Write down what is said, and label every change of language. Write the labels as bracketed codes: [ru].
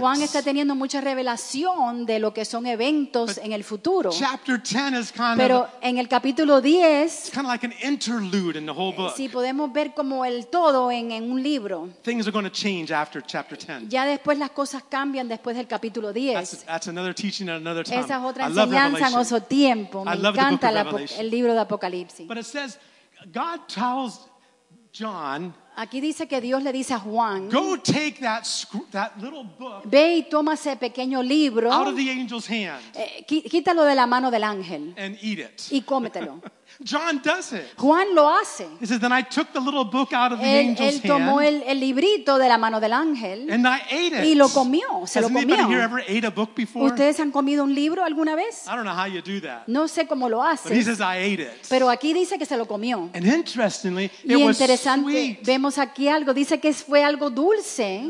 [es] Juan está teniendo mucha revelación de lo que son eventos [en] but [es] en el futuro. [en] Chapter 10 is kind [es] pero [en] of [es] en el capítulo 10, [en] it's kind of like an interlude in the whole book. [es] Si podemos ver como el todo en un libro. [en] Things are going to change after chapter 10. [es] Ya después las cosas cambian después del capítulo 10. [en] That's another teaching at another time. [es] Esa es otra enseñanza en otro tiempo. Me encanta el libro de Apocalipsis. [en] But it says God tells John. [es] Aquí dice que Dios le dice a Juan, [en] go take that little book, [es] ve y toma ese pequeño libro, [en] out of the angel's hand, [es] quítalo de la mano del ángel, [en] and eat it. [es] Y cómetelo. [en] John does it. [es] Juan lo hace. [en] He says, then I took the little book out of the angel's hand. [es] Él tomó el librito de la mano del ángel. [en] And I ate it. [es] Y lo comió. Se lo comió. [en] Has anybody here ever ate a book before? [es] ¿Ustedes han comido un libro alguna vez? [en] I don't know how you do that. [es] No sé cómo lo haces. [en] But he says, I ate it. [es] Pero aquí dice que se lo comió. [en] And interestingly, it was sweet. [es] Vemos tenemos aquí algo, dice que fue algo dulce.